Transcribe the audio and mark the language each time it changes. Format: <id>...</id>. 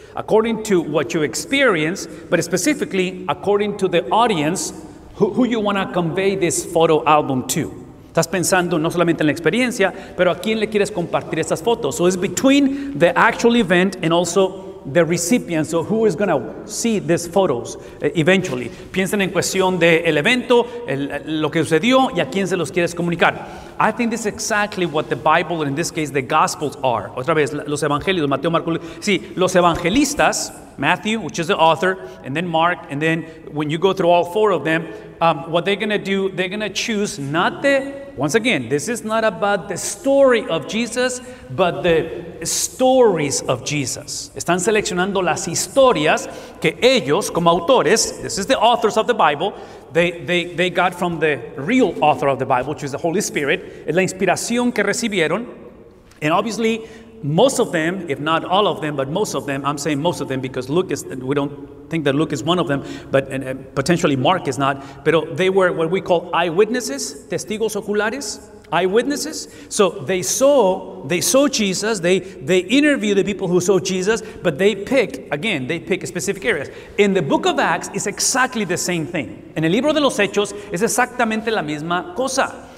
<en>According to what you experience, but specifically, according to the audience, who you want to convey this photo album to.</en> <es>Estás pensando no solamente en la experiencia, pero a quién le quieres compartir estas fotos.</es> <en>So it's between the actual event and also the recipient. So who is going to see these photos eventually.</en> <es>Piensen en cuestión del evento, lo que sucedió, y a quién se los quieres comunicar.</es> <en>I think this is exactly what the Bible, in this case, the Gospels are.</en> <es>Otra vez, los evangelios, Mateo, Marcos. Sí, los evangelistas,</es> <en>Matthew, which is the author, and then Mark, and then when you go through all four of them, what they're going to do, they're going to choose not the, once again, this is not about the story of Jesus, but the stories of Jesus.</en> <es>Están seleccionando las historias que ellos, como autores,</es> <en>this is the authors of the Bible, they got from the real author of the Bible, which is the Holy Spirit,</en> <es>es la inspiración que recibieron,</es> <en>and obviously, most of them, if not all of them, but most of them, I'm saying most of them because Luke is, we don't think that Luke is one of them, but potentially Mark is not, pero they were what we call eyewitnesses,</en> <es>testigos oculares,</es> <en>Eyewitnesses. So they saw Jesus. They interviewed the people who saw Jesus, but they pick specific areas. In the book of Acts, it's exactly the same thing.</en> <es>En el libro de los Hechos, es exactamente la misma cosa.</es>